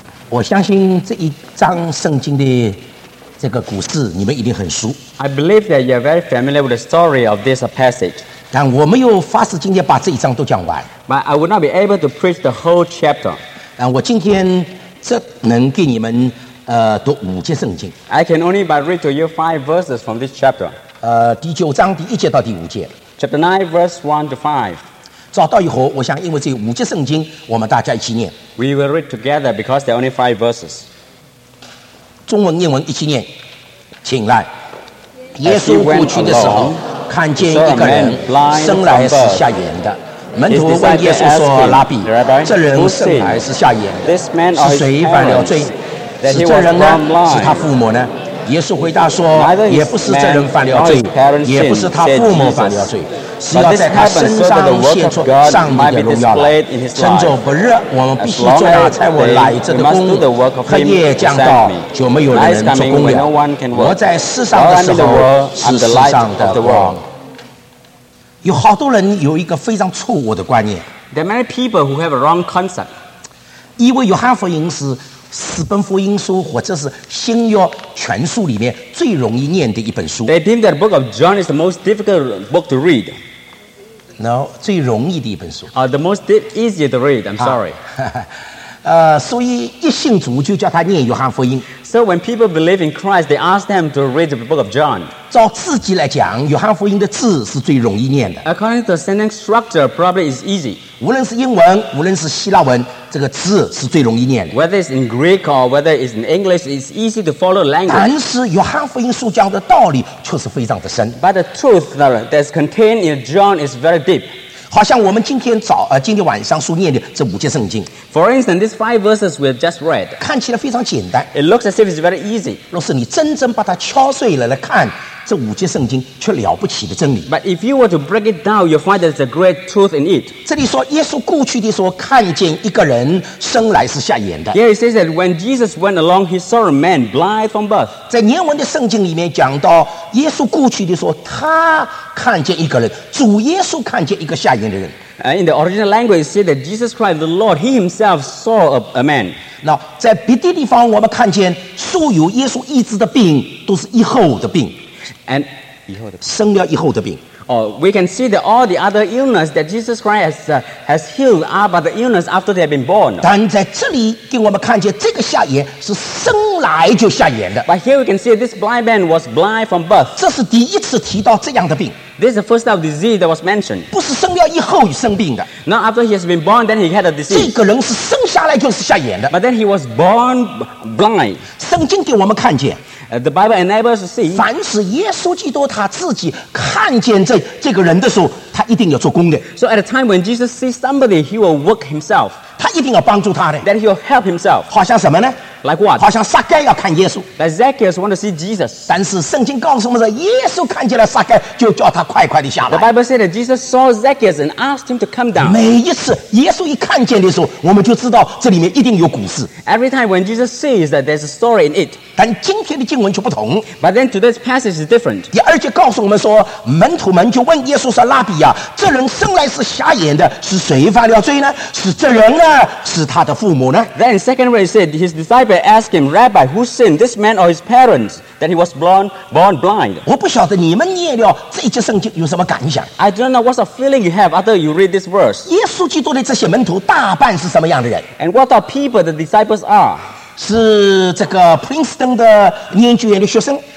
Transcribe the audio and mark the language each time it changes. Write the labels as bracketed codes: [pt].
[zh] 我相信这一章圣经的这个故事你们一定很熟。 [en] I believe that you are very familiar with the story of this passage。 [zh] 但我没有法师今天把这一章都讲完。 [en] But I would not be able to preach the whole chapter。 [zh] 但我今天只能给你们读五节圣经。 [en] I can only but read to you 5 verses from this chapter。 [zh] 第九章第一节到第五节。 [en] Chapter 9 verse 1 to 5。 [zh] 找到以后，我想因为这五节圣经，我们大家一起念。 [en] We will read together because there are only 5 verses。 [zh] 中文、英文一起念，请来。耶稣过去的时候，看见一个人生来是瞎眼的。门徒问耶稣说：“拉比，这人生来是瞎眼的，是谁犯了罪？是这人呢？是他父母呢？” 耶稣回答说：“也不是这人犯了罪，也不是他父母犯了罪，是要在他身上显出上帝的荣耀来。趁着不热，我们必须做那差我来这个工。黑夜降到，就没有人做工了。我在世上的时候是世上的光。” 有好多人有一个非常错误的观念。 [en] There are many people who have a wrong concept. [zh] 以为约翰福音是四本福音书或者是新约全书里面最容易念的一本书。 [en] They think that the book of John is the most difficult book to read. No, [zh] 最容易的一本书。 [en] The most easy to read, I'm sorry. [zh] 所以一信主就叫他念约翰福音。 [en] So when people believe in Christ, they ask them to read the book of John. [zh] 照字迹来讲，约翰福音的字是最容易念的。 [en] According to the sentence structure, probably is easy. [zh] 无论是英文，无论是希腊文，这个字是最容易念的。 [en] Whether it's in Greek or whether it's in English, it's easy to follow language. [zh] 但是约翰福音书讲的道理却是非常的深。 [en] But the truth that's contained in John is very deep. [zh] 好像我们今天晚上所念的这五节圣经。 [en] For instance, these 5 verses we have just read. [zh] 看起来非常简单。 [en] It looks as if it's very easy. [zh] 若是你真正把它敲碎了来看，这五节圣经却了不起的真理。 [en] But if you were to break it down, you'll find there's a great truth in it. [zh] 这里说耶稣过去的时候看见一个人生来是瞎眼的。 [en] Here it says that when Jesus went along, he saw a man blind from birth. [zh] 在原文的圣经里面讲到耶稣过去的时候他看见一个人，主耶稣看见一个瞎眼的人。 [en] In the original language, it says that Jesus Christ, the Lord, he himself saw a man. [zh] Now, 在别的地方我们看见所有耶稣医治的病都是以后的病。 [en] And [zh] 生了以后的病。 [en] Oh, we can see that all the other illness that Jesus Christ has healed are but the illness after they have been born. [zh] 但在这里给我们看见这个瞎眼是生来就瞎眼的。 [en] But here we can see this blind man was blind from birth. [zh] 这是第一次提到这样的病。 [en] This is the first type of disease that was mentioned. [zh] 不是生了以后生病的。 [en] Now after he has been born, then he had a disease. [zh] 这个人是生下来就是瞎眼的。 [en] But then he was born blind. [zh] 圣经给我们看见。 [en] The Bible enables us to see. [zh] 凡是耶稣基督他自己看见这个人的时候，他一定要做工的。 [en] So at a time when Jesus sees somebody, he will work himself. [zh] 他一定要帮助他的。 [en] Then he will help himself. [zh] 好像什么呢？ [en] Like what? [zh] 好像撒该要看耶稣。 [en] Like Zacchaeus want to see Jesus. [zh] 但是圣经告诉我们说，耶稣看见了撒该，就叫他快快的下来。 [en] The Bible said that Jesus saw Zacchaeus and asked him to come down. [zh] 每一次耶稣一看见的时候，我们就知道这里面一定有故事。 [en] Every time when Jesus sees that there's a story in it. [zh] 但今天的经文就不同。 [en] But then today's passage is different. [zh] 第二节告诉我们说，门徒们就问耶稣说：“拉比啊，这人生来是瞎眼的，是谁犯了罪呢？是这人呢？是他的父母呢？” [en] Then secondly, said his disciple asked him, Rabbi, who sinned, this man or his parents, that he was born blind? [zh] 我不晓得你们念了这一节圣经有什么感想。 [en] I don't know what's the feeling you have after you read this verse. [zh] 耶稣基督的这些门徒大半是什么样的人 [en] ？And what are people the disciples are? [zh] 是这个 Princeton 的研究院的学生。